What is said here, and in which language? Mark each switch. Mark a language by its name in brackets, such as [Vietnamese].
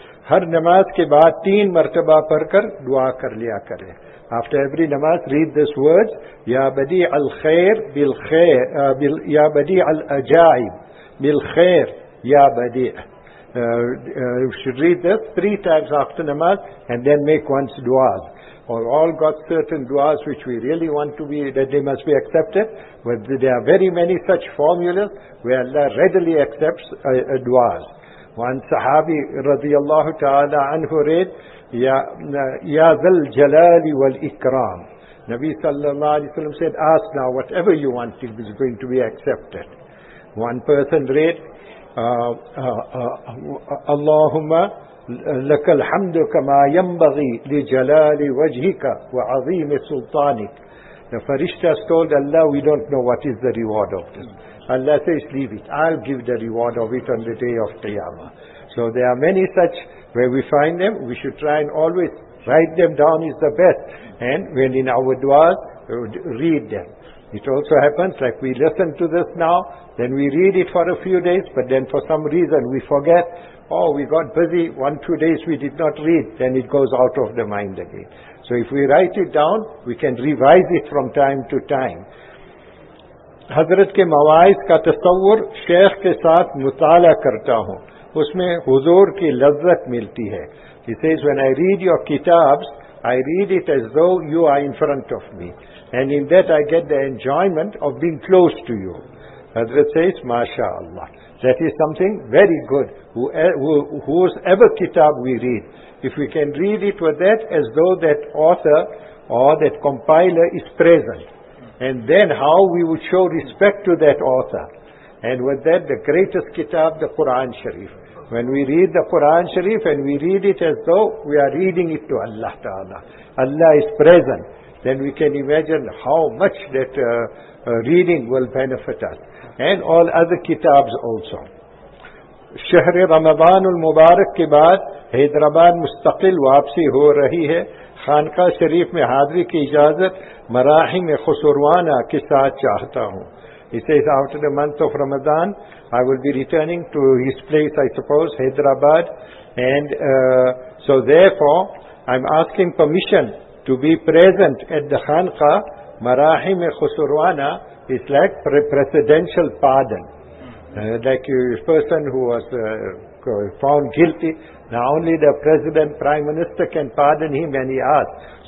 [Urdu] ہر نماز کے بعد تین مرتبہ پڑھ کر دعا کر لیا کرے. [English] After every نماز read this word, [Arabic] یا بدیع الخیر بالخیر, یا بدیع العجائب بالخیر یا بدیع. [English] You should read this three times after نماز and then make one's duas. We've all got certain duas which we really want to be, that they must be accepted. But there are very many such formulas where Allah readily accepts a duas. One sahabi radiallahu ta'ala anhu read, [Arabic] Ya zal jalali wal ikram. [English] Nabi sallallahu alayhi wa sallam said, ask now whatever you want is going to be accepted. One person read, [Arabic] Allahumma, لك الحمد كما ينبغي لجلال وجهك وعظيم سلطانك. [English] The farishta told Allah, we don't know what is the reward of this. Allah says, leave it. I'll give the reward of it on the day of Qiyamah. So there are many such where we find them. We should try and always write them down is the best. And when in our duas, read them. It also happens like we listen to this now, then we read it for a few days, but then for some reason we forget. Oh, we got busy, 1-2 days we did not read, then it goes out of the mind again. So if we write it down, we can revise it from time to time. [Urdu] حضرت کے مواعظ کا تصور شیخ کے ساتھ مطالعہ کرتا ہوں. اس میں حضور کی لذت ملتی ہے. [English] He says, when I read your kitabs, I read it as though you are in front of me. And in that I get the enjoyment of being close to you. Hazrat says, MashaAllah. That is something very good. Whosoever kitab we read, if we can read it with that, as though that author or that compiler is present. And then how we would show respect to that author. And with that, the greatest kitab, the Quran Sharif. When we read the Quran Sharif and we read it as though we are reading it to Allah Ta'ala. Allah is present. Then we can imagine how much that reading will benefit us. And all other kitabs also. [Urdu] شہر رمضان المبارک کے بعد حیدرآباد مستقل واپسی ہو رہی ہے. خانقاہ شریف میں حاضری کی اجازت مراحم خسروانہ کے ساتھ چاہتا ہوں. [English] He says, after the month of Ramadan, I will be returning to his place, I suppose, Hyderabad. And so therefore, I'm asking permission to be present at the Khanqa, Marahim Khusurwana. Is like presidential pardon. Like a person who was found guilty, now only the president, prime minister can pardon him and he asks.